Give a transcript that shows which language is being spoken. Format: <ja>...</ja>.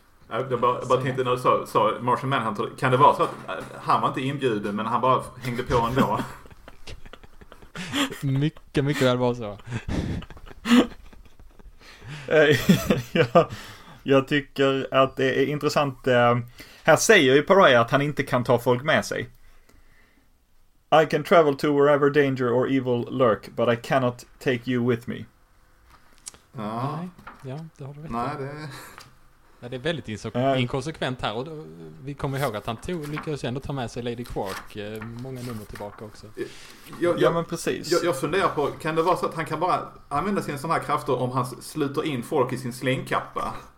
<sv>Jag bara tänkte när du sa Martian Manhunter, kan det vara så att han var inte inbjuden men han bara hängde på ändå? Mycket, mycket väl var så. jag tycker att det är intressant. Här säger ju Pariah att han inte kan ta folk med sig.</sv> <en>I can travel to wherever danger or evil lurk, but I cannot take you with me.</en> <sv>Ja. Nej, ja, det har du rätt. Nej, det. Nej, det är väldigt inkonsekvent här. Och vi kommer ihåg att han lyckades ändå ta med sig Lady Quark många nummer tillbaka också. Ja, men precis. Jag funderar på, kan det vara så att han kan bara använda sin sån här krafter om han sluter in folk i sin slängkappa?</sv>